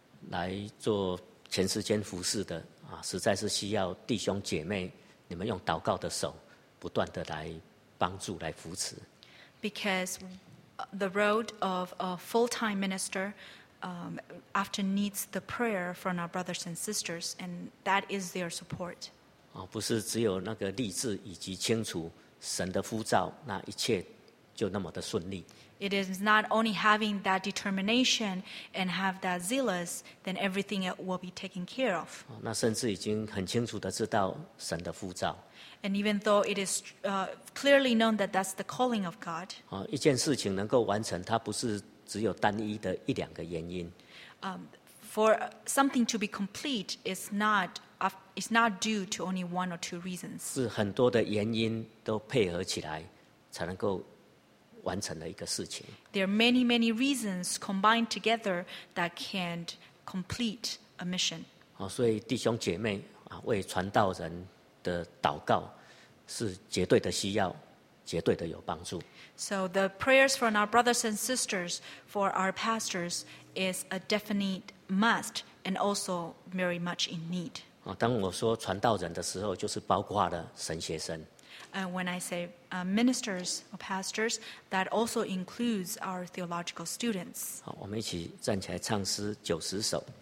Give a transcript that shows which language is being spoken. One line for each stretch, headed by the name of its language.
Chinese: 来做全世界服事的啊，实在是需要弟兄姐妹你们用祷告的手不断的来帮助来扶持。
English: Because the road of a full-time minister often needs the prayer from our brothers and sisters, and that is their support.
Chinese: 哦，不是只有那个立志以及清楚神的呼召，那一切就那么的顺利。
English: It is not only having that determination and have that zealous, then everything will be taken care of.
Chinese: 那甚至已经很清楚的知道神的呼召。
English: And even though it is clearly known that that's the calling of God.
Chinese: 一件事情能够完成，它不是只有单一的一两个原因。
English: For something to be complete is not due to only one or two reasons.
Chinese: 是很多的原因都配合起来才能够完成的一个事情。
English: There are many, many reasons combined together that can complete a mission.
Chinese: 所以弟兄姐妹为传道人的祷告是绝对的需要，绝对的有帮助。
English: So the prayers from our brothers and sisters for our pastors is a definite must and also very much in need.
Chinese: 当我说传道人的时候，就是包括了神学生。
English: When I say ministers or pastors, that also includes our theological students.
Chinese: 好，我们一起站起来唱诗九十首。